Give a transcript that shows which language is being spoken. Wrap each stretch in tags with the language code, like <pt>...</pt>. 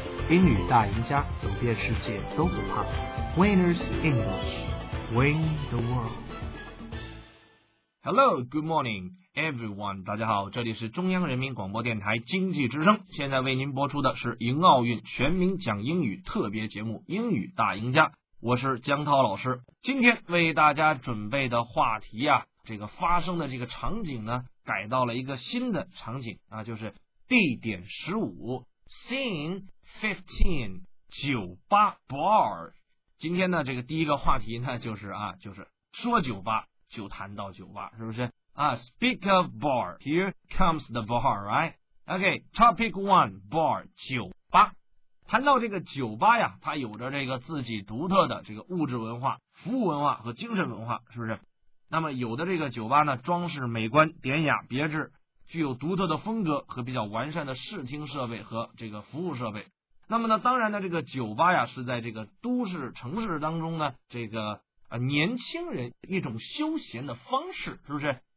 <zh>英语大赢家，走遍世界都不怕。</zh> <en>Winners English, win the world. Hello, good morning, everyone.</en> <zh>大家好，这里是中央人民广播电台经济之声。现在为您播出的是迎奥运全民讲英语特别节目《英语大赢家》，我是江涛老师。今天为大家准备的话题啊，这个发生的这个场景呢，改到了一个新的场景啊，就是地点15 scene 15酒吧 bar。今天呢，这个第一个话题呢，就是啊，就是说酒吧就谈到酒吧，是不是啊？</zh> <en>Speak of bar, here comes the bar, right? Okay, topic 1, bar, 酒吧。</en> <zh>谈到这个酒吧呀，它有着这个自己独特的这个物质文化、服务文化和精神文化，是不是？那么有的这个酒吧呢，装饰美观、典雅、别致，具有独特的风格和比较完善的视听设备和这个服务设备。那么呢，当然呢，这个酒吧呀，是在这个都市城市当中呢，这个年轻人一种休闲的方式，是不是？</zh>